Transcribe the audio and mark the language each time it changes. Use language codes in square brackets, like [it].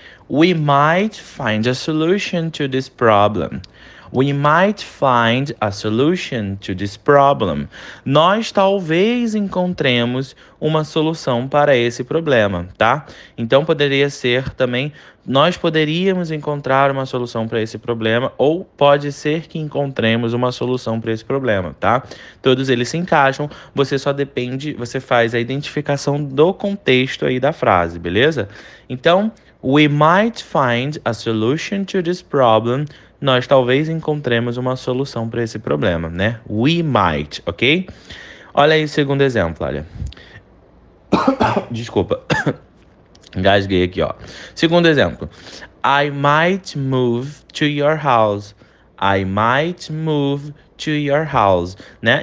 [en] We might find a solution to this problem. We might find a solution to this problem. [pt] Nós talvez encontremos uma solução para esse problema, tá? Então poderia ser também, nós poderíamos encontrar uma solução para esse problema, ou pode ser que encontremos uma solução para esse problema, tá? Todos eles se encaixam, você só depende, você faz a identificação do contexto aí da frase, beleza? Então, [en] we might find a solution to this problem. [pt] Nós talvez encontremos uma solução para esse problema, né? [en] We might, [pt] ok? Olha aí o segundo exemplo, olha. Desculpa. Engasguei aqui, ó. Segundo exemplo. [en] I might move to your house. I might move to your house, né?